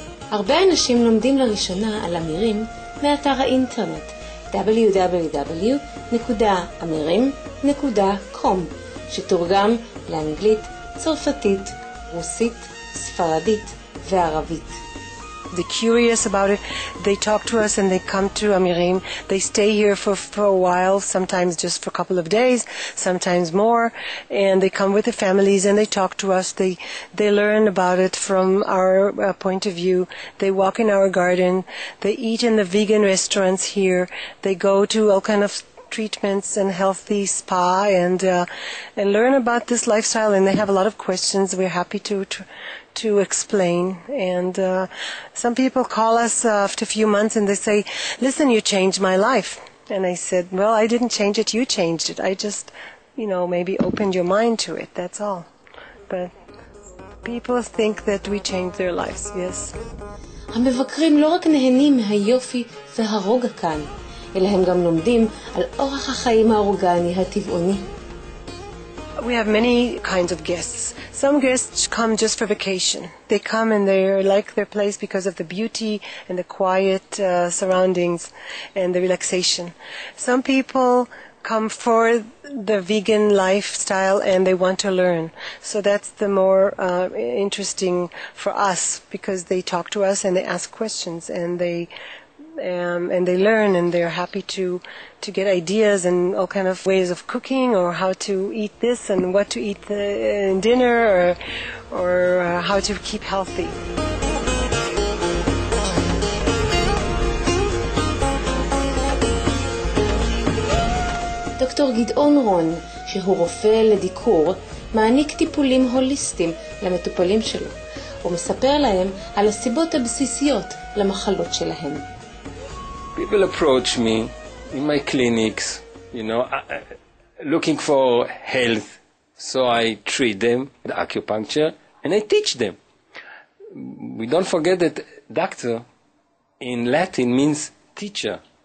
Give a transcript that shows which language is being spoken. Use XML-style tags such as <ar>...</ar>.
<he>הרבה אנשים לומדים לראשונה על אמירים מאתר האינטרנט www.amirim.com, שתורגם לאנגלית, צרפתית, רוסית, ספרדית וערבית.</he> <en>They're curious about it. They talk to us and they come to Amirim. They stay here for a while, sometimes just for a couple of days, sometimes more, and they come with their families and they talk to us. They learn about it from our point of view. They walk in our garden. They eat in the vegan restaurants here. They go to all kind of treatments and healthy spa and learn about this lifestyle, and they have a lot of questions. We're happy to explain, and some people call us after a few months and they say, listen, you changed my life. And I said, well, I didn't change it, you changed it. I just, you know, maybe opened your mind to it, that's all. But people think that we changed their lives, yes.</en> <he>המבקרים לא רק נהנים מהיופי והרוגע כאן, אלא הם גם לומדים על אורח החיים האורגני הטבעוני.</he> <en>We have many kinds of guests. Some guests come just for vacation. They come and they like their place because of the beauty and the quiet surroundings and the relaxation. Some people come for the vegan lifestyle and they want to learn. So that's the more interesting for us, because they talk to us and they ask questions and they learn, and they're happy to get ideas and all kind of ways of cooking, or how to eat this and what to eat in dinner, or how to keep healthy.</en> <he>דוקטור גדעון רון, שהוא רופא לדיקור, מעניק טיפולים הוליסטיים למטופלים שלו ומספר להם על הסיבות הבסיסיות למחלות שלהם.</he> <en>People approach me in my clinics, you know, looking for health. So I treat them with acupuncture and I teach them. We don't forget that doctor in Latin means teacher.</en>